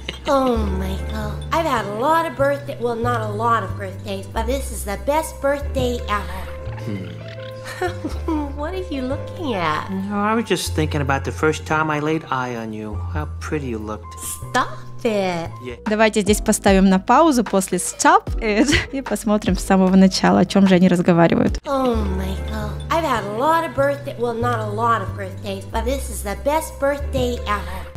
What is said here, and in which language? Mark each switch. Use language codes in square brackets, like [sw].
[en] Oh, Michael, I've had a lot of birthdays, well, not a lot of birthdays, but this is the best birthday ever. What are you looking at? No, I was just thinking about the first time I laid eye on you, how pretty you looked. Stop it! Yeah. [ru] Давайте здесь поставим на паузу после [en] stop it [ru] и посмотрим с самого начала, о чем же они разговаривают. [en] Oh, Michael, I've had a lot of birthdays, well, not a lot of birthdays, but this is the best birthday ever.